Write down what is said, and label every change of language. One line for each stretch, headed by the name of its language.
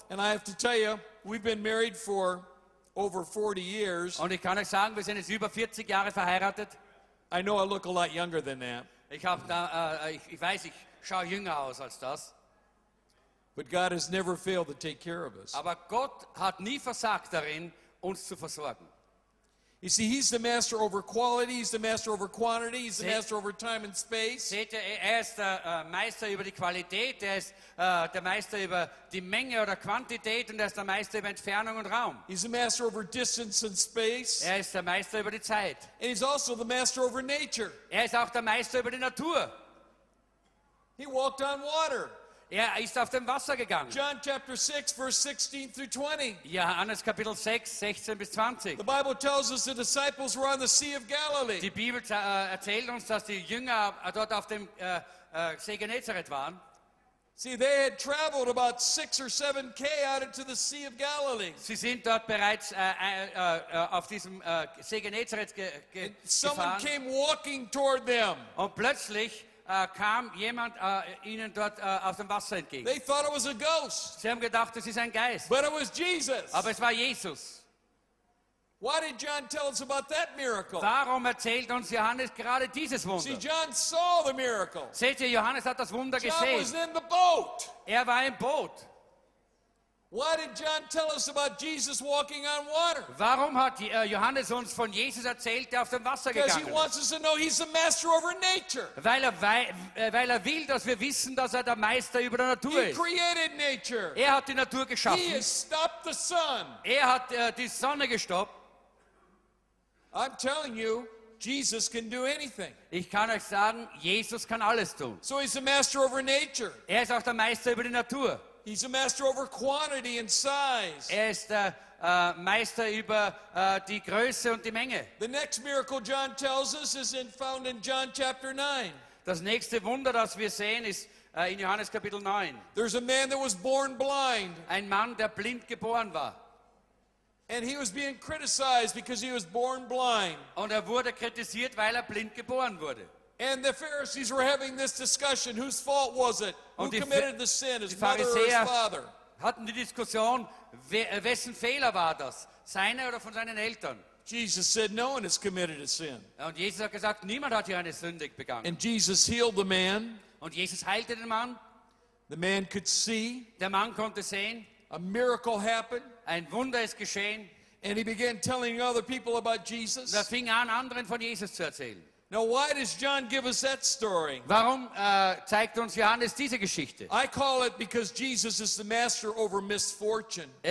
English: And I have to tell you, we've been married for over 40 years.
German: Und ich kann euch sagen, wir sind jetzt über 40 Jahre verheiratet.
English: I know I look a lot younger than that.
German: Ich weiß, ich schaue jünger aus als das.
English: But God has never failed to take care of us.
German: Aber Gott hat nie versagt darin, uns zu versorgen.
English: You see, he's the master over quality, he's the master over quantity, he's the master over time and space.
German: Seht ihr, er ist der Meister über die Qualität, er ist der Meister über die Menge oder Quantität, und er ist der Meister über Entfernung und Raum.
English: He's the master over distance and space.
German: Er ist der Meister über die Zeit.
English: And he's also the master over nature.
German: Er ist auch der Meister über die Natur.
English: He walked on water.
German: Er ist auf dem Wasser gegangen.
English: John chapter 6, verse 16 through 20.
German: Johannes Kapitel 6, 16 bis 20.
English: The Bible tells us the disciples were on the Sea of Galilee.
German: Die Bibel erzählt uns, dass die Jünger dort auf dem See Genezareth waren.
English: See, they had traveled about 6 or 7 K out into the Sea of Galilee.
German: Sie sind dort bereits auf diesem See Genezareth gefahren.
English: Someone came walking toward them.
German: Und plötzlich kam jemand ihnen dort aus dem Wasser entgegen.
English: They thought it was a ghost.
German: Sie haben gedacht, es ist ein Geist.
English: But it was Jesus.
German: Aber es war Jesus.
English: Why did John tell us about that miracle?
German: Warum erzählt uns Johannes gerade dieses Wunder?
English: See, John saw the miracle.
German: Seht ihr, Johannes hat das Wunder
English: John
German: gesehen.
English: Was in the boat.
German: Er war im Boot.
English: Why did John tell us about Jesus walking on water?
German: Warum hat Johannes uns von Jesus erzählt, der auf dem Wasser gegangen ist?
English: Because he wants us to know he's the master over nature.
German: Weil er will, dass wir wissen, dass er der Meister über der Natur ist.
English: He created nature.
German: Er hat die Natur geschaffen.
English: He has stopped the sun.
German: Er hat die Sonne gestoppt.
English: I'm telling you, Jesus can do anything.
German: Ich kann euch sagen, Jesus kann alles tun.
English: So he's the master over nature.
German: Er ist auch der Meister über die Natur.
English: He's a master over quantity and size.
German: Er ist der Meister über die Größe und die Menge.
English: The next miracle John tells us is found in John chapter 9.
German: Das nächste Wunder, das wir sehen, ist in Johannes Kapitel 9.
English: There's a man that was born blind.
German: Ein Mann, der blind geboren war.
English: And he was being criticized because he was born blind.
German: Und wurde kritisiert, weil blind geboren wurde.
English: And the Pharisees were having this discussion. Whose fault was it?
German: Und
English: who committed the sin, his mother or his father?
German: Hatten die Diskussion, wessen Fehler war das? Seine oder von seinen Eltern?
English: Jesus said, no one has committed a sin.
German: Und Jesus hat gesagt, niemand hat hier eine Sünde begangen.
English: And Jesus healed the man.
German: Und Jesus heilte den Mann.
English: The man could see.
German: Der Mann konnte sehen.
English: A miracle happened.
German: Ein Wunder ist geschehen.
English: And he began telling other people about Jesus.
German: Er fing an, anderen von Jesus zu erzählen.
English: Now, why does John give us that story?
German: Warum zeigt uns Johannes diese Geschichte?
English: I call it because Jesus is the master over misfortune.